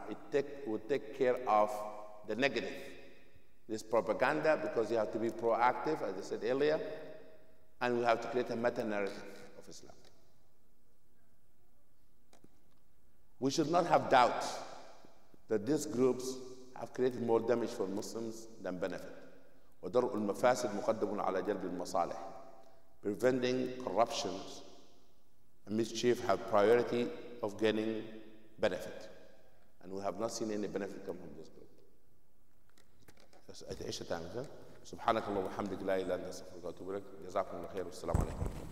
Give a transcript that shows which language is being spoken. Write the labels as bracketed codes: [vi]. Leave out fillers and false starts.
[en] It will take care of the negative. This propaganda, because you have to be proactive, as I said earlier, and we have to create a meta-narrative of Islam. We should not have doubt that these groups have created more damage for Muslims than benefit. [ar] ودرء المفاسد مقدم على جلب المصالح. [en] Preventing corruptions and mischief have priority of gaining benefit. And we have not seen any benefit come from this group. [ar] ايش تعمل ذا؟ سبحانك اللهم وبحمدك لا اله الا انت استغفرك واتوب اليك. جزاكم الله خير والسلام عليكم.